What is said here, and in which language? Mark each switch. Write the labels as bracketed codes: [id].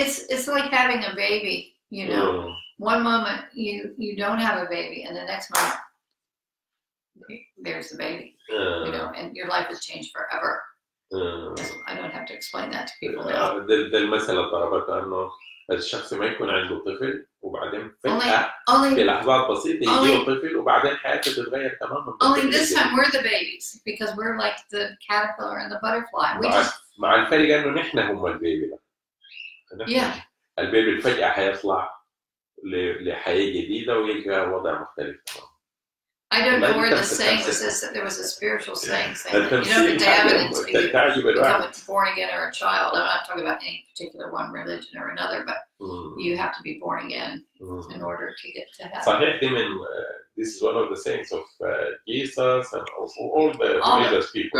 [en] It's like having a baby, you know. One moment you don't have a baby and the next moment there's the baby, you know, and your life has changed forever. I don't have to explain that to people now. The [ar] مثل اضربت انه الشخص ما يكون عنده طفل وبعدين فجأة في لحظات بسيطة يجيه طفل وبعدين حياته تتغير تماما. [en] Only this time we're the babies because we're like the caterpillar and the butterfly. [ar] مع الفرق انه نحن هم البيبي. [en] Yeah. [ar] البيبي فجأة حيطلع لحياة جديدة ويلقى وضع مختلف تماما. [en] I don't know where the saying is this, that there was a spiritual saying saying that you don't have to have it to be born again or a child. I'm not talking about any particular one religion or another, but you have to be born again in order to get to heaven. This is one of the sayings of Jesus and also all the religious people.